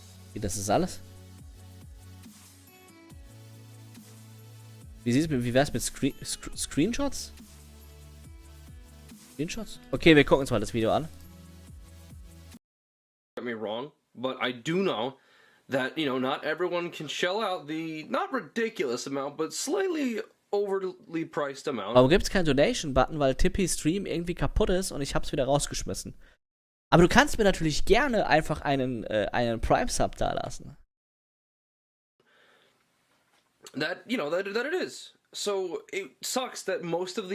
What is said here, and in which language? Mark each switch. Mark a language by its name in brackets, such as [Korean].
[German] Okay, das ist alles. Wie wär's mit Screenshots? Screenshots? Okay, wir gucken uns mal das Video an. [English] Get me wrong, but I do know that, you know, not everyone can shell out the not ridiculous amount, but slightly overly priced amount. [German] Warum gibt's keinen Donation-Button, weil Tippy Stream irgendwie kaputt ist und ich hab's wieder rausgeschmissen. Aber du kannst mir natürlich gerne einfach einen Prime-Sub da lassen. [English] That it is. So it sucks that most of the